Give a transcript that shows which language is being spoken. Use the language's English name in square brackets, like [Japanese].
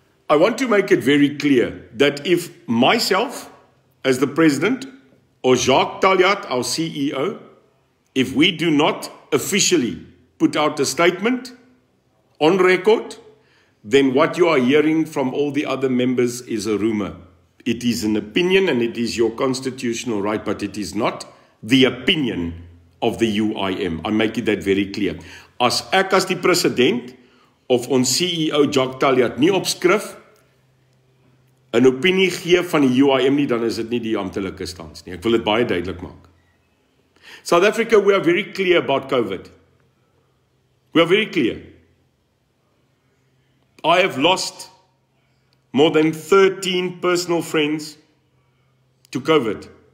[English] I want to make it very clear that if myself as the president or Jacques Taljaat, our CEO, if we do not officially put out a statement on record, then what you are hearing from all the other members is a rumor. It is an opinion and it is your constitutional right, but it is not the opinion of the UIM. I make it that very clear. [Afrikaans] As ek as die president of ons CEO Jacques Taljaat nie op skrif 'n opinie gee van die UIM nie, dan is dit nie die amptelike stans nie. Ek wil dit baie duidelik maak. [English] South Africa, we are very clear about COVID. We are very clear. I have lost more than 13 personal friends to COVID.